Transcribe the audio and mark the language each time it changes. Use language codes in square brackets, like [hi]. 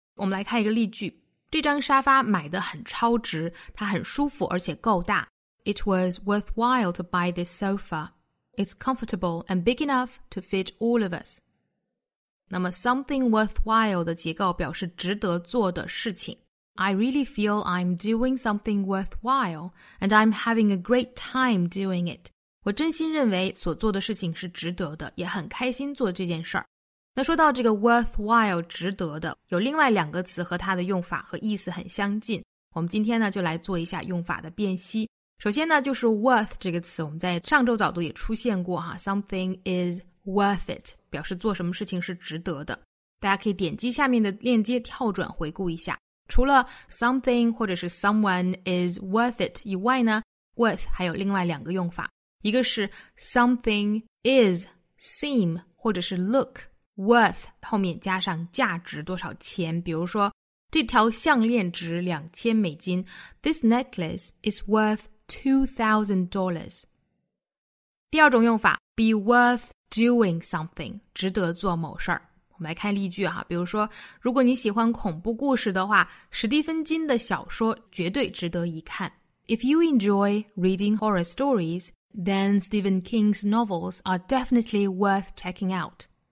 [zh] 我们来看一个例句，这张沙发买得很超值，它很舒服而且够大。 [en] It was worthwhile to buy this sofa. It's comfortable and big enough to fit all of us. [zh] 那么 something worthwhile 的结构表示值得做的事情。 [en] I really feel I'm doing something worthwhile and I'm having a great time doing it. [zh] 我真心认为所做的事情是值得的，也很开心做这件事儿。那说到这个 worthwhile 值得的，有另外两个词和它的用法和意思很相近。我们今天呢就来做一下用法的辨析。首先呢就是 worth 这个词，我们在上周早读也出现过哈， something is worth it， 表示做什么事情是值得的。大家可以点击下面的链接跳转回顾一下。除了 something 或者是 someone is worth it 以外呢， worth 还有另外两个用法。一个是 something is seem 或者是 look worth 后面加上价值多少钱，比如说这条项链值$2,000， [en] This necklace is worth $2,000. [zh] 第二种用法 be worth doing something， 值得做某事儿。我们来看例句哈，比如说如果你喜欢恐怖故事的话，史蒂芬金的小说绝对值得一看。 [en] If you enjoy reading horror stories, then Stephen King's novels are definitely worth checking out.